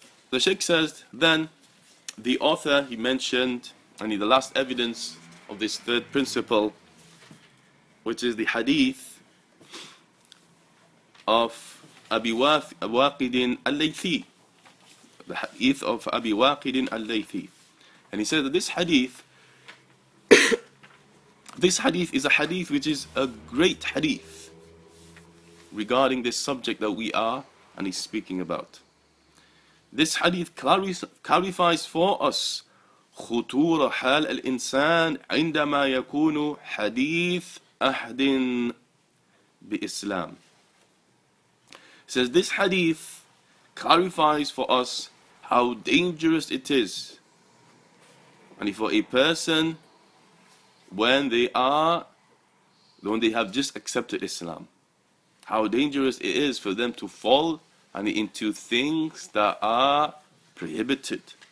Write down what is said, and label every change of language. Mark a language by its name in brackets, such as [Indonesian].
[English] The Sheikh says, then the author, he mentioned the last evidence of this third principle, which is the hadith of Abi Waqidin al-Laythi. The hadith of Abi Waqidin al-Laythi. And he said that this hadith is a hadith which is a great hadith regarding this subject that we are and is speaking about. This hadith clarifies for us [Arabic] خطورة حال الإنسان عندما يكون حديث أحد بإسلام. [English] Says this hadith clarifies for us how dangerous it is for a person when they have just accepted Islam. How dangerous it is for them to fall into things that are prohibited.